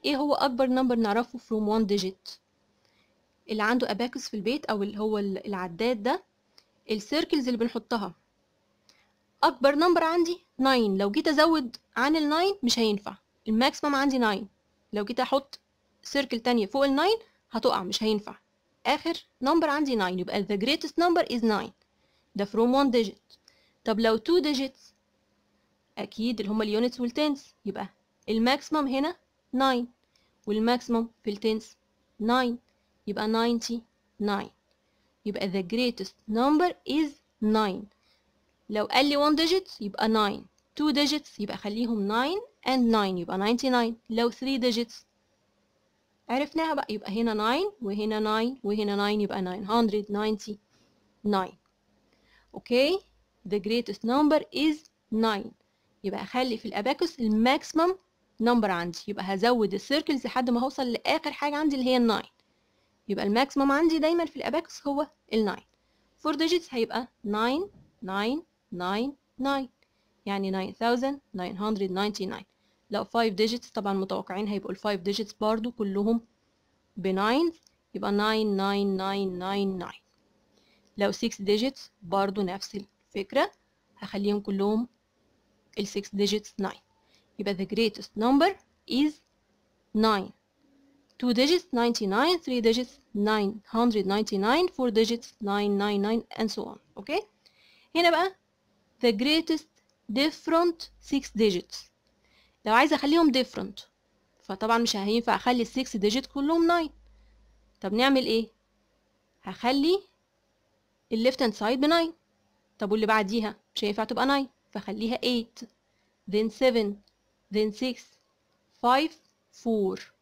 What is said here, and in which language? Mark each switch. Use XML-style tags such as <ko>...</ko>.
<ar>إيه هو أكبر number نعرفه</ar> <en>from one digit؟</en> <ar>اللي عنده أباكس في البيت أو اللي هو العداد ده السيركلز اللي بنحطها أكبر number عندي 9. لو جيت أزود عن ال 9 مش هينفع. الماكسيمم عندي 9. لو جيت أحط سيركل تانية فوق ال 9 هتقع مش هينفع. آخر number عندي 9.</ar> <en>يبقى the greatest number is 9 ده from one digit.</en> <ar>طب لو 2 digits أكيد اللي هما اليونتس والتنس يبقى الماكسيمم هنا 9 والماكسيمم في التنس 9 يبقى 99.</ar> <en>يبقى the greatest number is 9.</en> <ar>لو قال لي 1 digit يبقى 9 2 digits يبقى خليهم 9 and 9 يبقى 99. لو 3 digits عرفناها بقى يبقى هنا 9 وهنا 9 وهنا 9 يبقى 999.</ar> <en>Okay the greatest number is 9.</en> <ar>يبقى أخلي في الأباكس الماكسيمم نمبر عندي يبقى هزود السيركلز لحد ما هوصل لآخر حاجة عندي اللي هي الناين. يبقى الماكسيمم عندي دايما في الأباكس هو الناين. فور ديجيتس هيبقى 9999 يعني 9999. لو 5 ديجيتس طبعا متوقعين هيبقوا الفايف ديجيتس برضو كلهم بناين يبقى 99999. لو 6 ديجيتس برضو نفس الفكرة هخليهم كلهم الـ 6 digits 9. يبقى</ar> <en>the greatest number is 9. 2 digits 99, 3 digits 999, 4 digits 999 and so on. Okay,</en> <ar>هنا بقى</ar> <en>the greatest different 6 digits.</en> <ar>لو عايز اخليهم different فطبعا مش هينفع اخلي 6 digits كلهم 9. طب نعمل ايه؟ هخلي ال left hand side ب 9. طب واللي بعديها مش هينفع تبقى 9 فخليها 8, then 7, then 6, 5, 4.</ar>